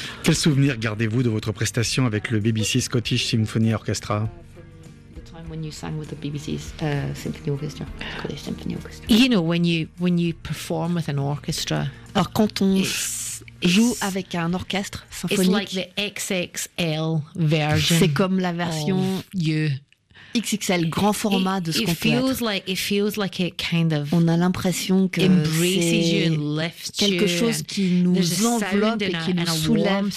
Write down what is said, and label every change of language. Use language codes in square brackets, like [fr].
[fr] Quel souvenir gardez-vous de votre prestation avec le BBC Scottish Symphony Orchestra? [en] When you sang with the BBC Symphony Orchestra, Scottish Symphony Orchestra. You know, when you perform with an orchestra. [fr] Alors quand on joue avec un orchestre symphonique, [en] it's like the XXL version. [fr] C'est comme la version XXL, grand format de ce qu'on peut être. [en] It feels like it kind of. [fr] On a l'impression que c'est quelque chose qui nous enveloppe et qui nous soulève.